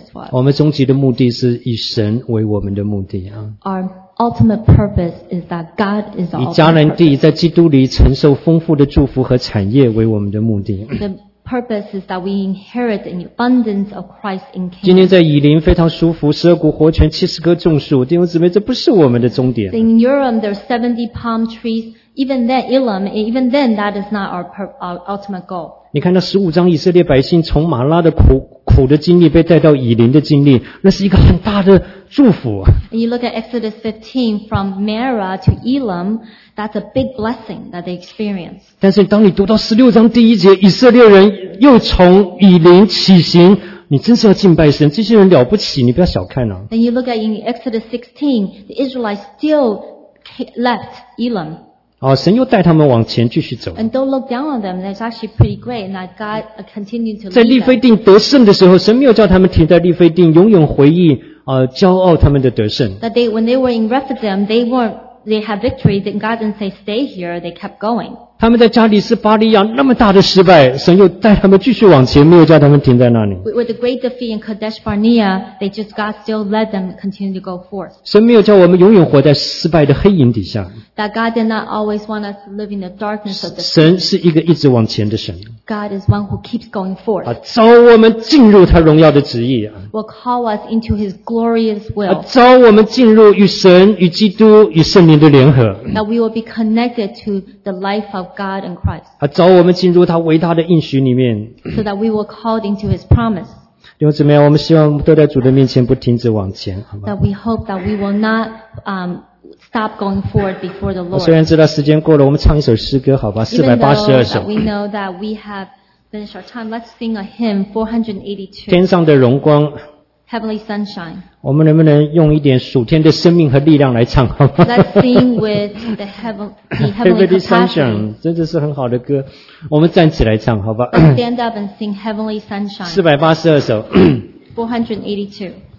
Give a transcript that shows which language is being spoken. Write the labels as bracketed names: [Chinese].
[Chinese] 我们终极的目的是以神为我们的目的啊。 [English] Our ultimate purpose is that God is our. [Chinese] 以迦南地在基督里承受丰富的祝福和产业为我们的目的。 [English] The purpose is that we inherit an abundance of Christ in Canaan. [Chinese] 今天在以林非常舒服，十二股活泉，70棵种树，弟兄姊妹，这不是我们的终点。 [English] In Urim, there are 70 palm trees. Even then, that is not our ultimate goal. [Chinese] 你看那15章以色列百姓从马拉的苦的经历被带到以林的经历，那是一个很大的祝福。 [English] And you look at Exodus 15 from Mara to Elam, that's a big blessing that they experience. [Chinese] 但是当你读到16章第一节，以色列人又从以林起行，你真是要敬拜神，这些人了不起，你不要小看啊。 [English] Then you look at in Exodus 16, the Israelites still left Elam. [Chinese] 哦，神又带他们往前继续走。 [English] And don't look down on them. That's actually pretty great. And that God continued to. [Chinese] 在利非定得胜的时候，神没有叫他们停在利非定，永远回忆骄傲他们的得胜。 [English] That they when they were in Rephidim, they had victory. Then God didn't say stay here. They kept going. [Chinese] 他们在加利斯巴利亚那么大的失败，神又带他们继续往前，没有叫他们停在那里。 [English] With the great defeat in Kadesh Barnea, they just God still led them continue to go forth. [Chinese] 神没有叫我们永远活在失败的黑影底下。 [English] That God did not always want us to live in the darkness of the. [Chinese] 神是一个一直往前的神。 [English] God is one who keeps going forth. [Chinese] 招我们进入他荣耀的旨意。 [English] Will call us into His glorious will. [Chinese] 招我们进入与神、与基督、与圣灵的联合。 [English] That we will be connected to the life of God and Christ. [Chinese] 招我们进入他伟大的应许里面。 [English] So that we will called into His promise. [Chinese] 弟兄姊妹，我们希望都在主的面前不停止往前，好吗 [English] ？That we hope that we will not stop going forward before the Lord. [Chinese] 虽然知道时间过了，我们唱一首诗歌，好吧？ 482首。 [English] Even though we know that we have finished our time, let's sing a hymn 482. [Chinese] 天上的荣光。 [English] Heavenly sunshine. [Chinese] 我们能不能用一点属天的生命和力量来唱，好吗 [English] ？Let's sing with the heavenly sunshine. [Chinese] 真的是很好的歌，我们站起来唱，好吧 [English] ？Stand up and sing heavenly sunshine. [Chinese] 482首。 [English] 482.